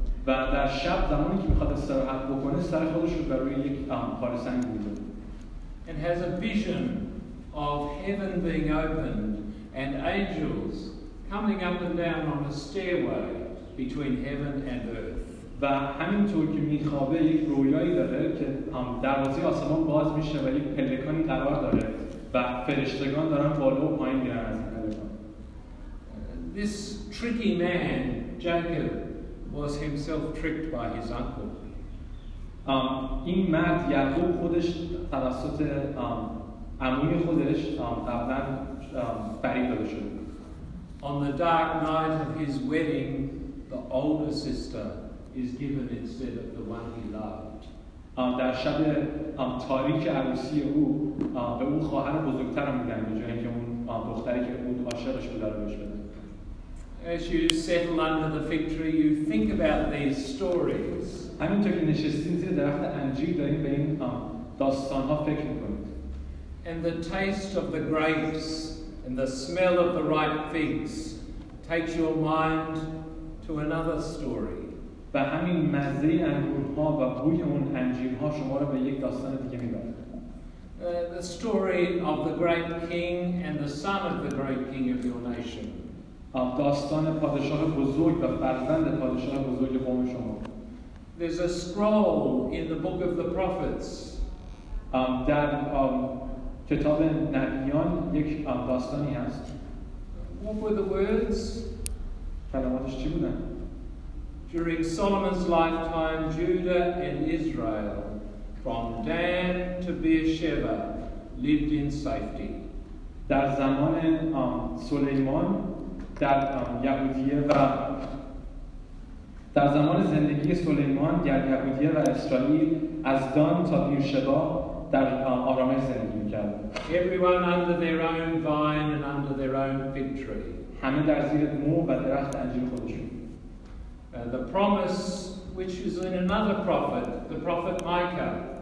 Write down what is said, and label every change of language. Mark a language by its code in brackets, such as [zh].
[fa] و در شب زمانی که میخواد استراحت بکنه سر خودش رو بر روی یک پاره سنگ می‌ذاره. [en] And has a vision of heaven being opened and angels coming up and down on a stairway between heaven and earth. [fa] و همینطور که میخوابه یک رویایی داره که هم دروازه آسمان باز میشه و یک پلکانی قرار داره و فرشتگان دارن بالا و پایین میرن از این پلکان. [en] This tricky man, Jacob, was himself tricked by his uncle. [fa] این مرد یعقوب خودش توسط عموی خودش قبلا فریب داده شده. [en] On the dark night of his wedding, the older sister is given instead of the one he loved. [fa] در شب تاریک عروسی او به اون خواهر بزرگتر میدن به جایی که اون دختری که بود عاشقش بود رو بهش بده. [en] As you settle under the fig tree, you think about these stories. [fa] همینطور که نشستین زیر درخت انجیر داریم به این داستان‌ها فکر میکنید. [en] And the taste of the grapes and the smell of the ripe figs takes your mind to another story. [fa] و همین مزه انگورها و بوی اون انجیرها شما رو به یک داستان دیگه میبره. [en] The story of the great king and the son of the great king of your nation. [fa] داستان پادشاه بزرگ و فرزند پادشاه بزرگ قوم شما. [en] There's a scroll in the book of the prophets. [fa] در کتاب نبیان یک داستانی هست. [en] What were the words? [fa] کلماتش چی بودن؟ [en] During Solomon's lifetime, Judah and Israel, from Dan to Beersheba, lived in safety. [fa] در زمان سلیمان در یهودیه و در زمان زندگی سلیمان در یهودیه و اسرائیل از دان تا بیرشبا در آرامش زندگی می‌کرد. [en] Everyone under their own vine and under their own fig tree. [fa] همه در زیر مو و درخت انجیر خودشون. [en] The promise, which is in another prophet, the prophet Micah.